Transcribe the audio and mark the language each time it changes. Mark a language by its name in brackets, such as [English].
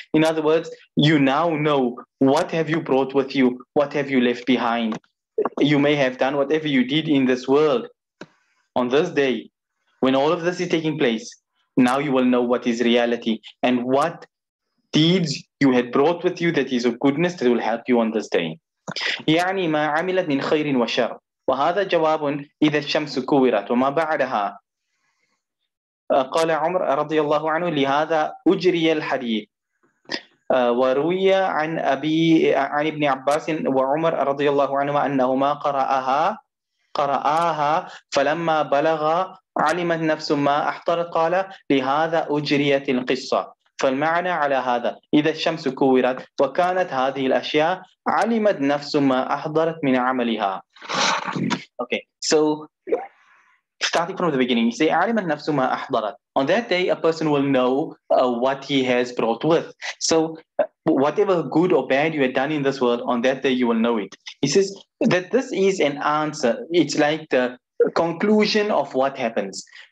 [English] In other words, you now know what have you brought with you, what have you left behind. You may have done whatever you did in this world. On this day, when all of this is taking place, now you will know what is reality and what deeds you had brought with you that is of goodness that will help you on this day. [Arabic] يعني ما عملت من خير وشر وهذا جواب إذا الشمس كورت وما بعدها قال عمر رضي الله عنه لهذا أجري الحديث وروي عن أبي عن ابن عباس وعمر رضي الله عنهما أنهما قرأها فلما بلغ علمت نفس ما أحضرت قال لهذا أجريت القصة. فالمعنى على هذا إذا الشمس كورت وكانت هذه الأشياء علمت نفس ما أحضرت من عملها. [English] Okay, so starting from the beginning, you say [Arabic] علمت نفس ما أحضرت. [English] On that day, a person will know what he has brought with. So whatever good or bad you had done in this world, on that day you will know it. He says that this is an answer. It's like the conclusion of what happens.